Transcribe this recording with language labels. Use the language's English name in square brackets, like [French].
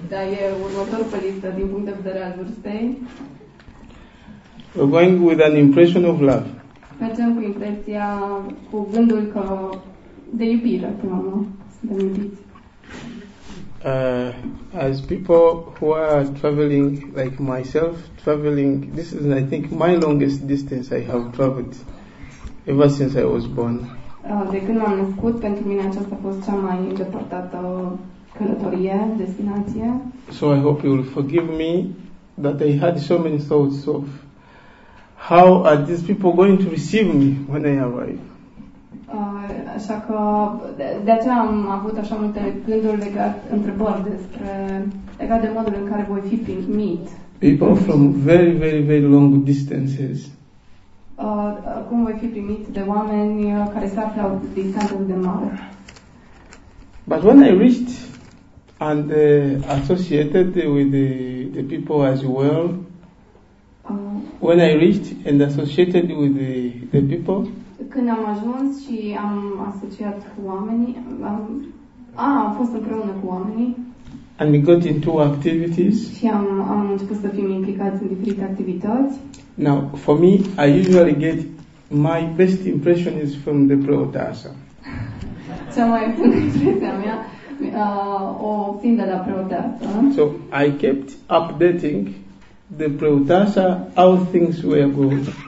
[Romanian] Da, e următorul pe listă din punct de vedere al vârstei. [English] We're going with an impression of love. [Romanian] Mergem cu impresia, cu gândul că de iubire, pe mama, suntem iubiți. [English] As people who are traveling, like myself, traveling, this is, I think, my longest distance I have traveled ever since I was born. [Romanian] De când m-am născut, pentru mine aceasta a fost cea mai îndepărtată călătorie, destinație. [English] So I hope you will forgive me that I had so many thoughts of how are these people going to receive me when I arrive. [Romanian] Așa că de aceea am avut așa multe gânduri legate, întrebări despre legat de modul în care voi fi primit. [English] People from very, very, very long distances. [Romanian] Cum voi fi primit de oameni care se află distanță de mare. [English] But when I reached and associated with the people as well. When I reached and associated with the people. [Romanian] Când am ajuns și am asociat cu oamenii, am fost împreună cu oamenii. [English] And we got into activities. [Romanian] Și am început să fim implicați în diferite activități. [English] Now, for me, I usually get my best impression is from the preotasa. [Romanian] Cea mai bună impresia mea. O fiind de la preoteasă. [English] So I kept updating the preoteasă how things were going.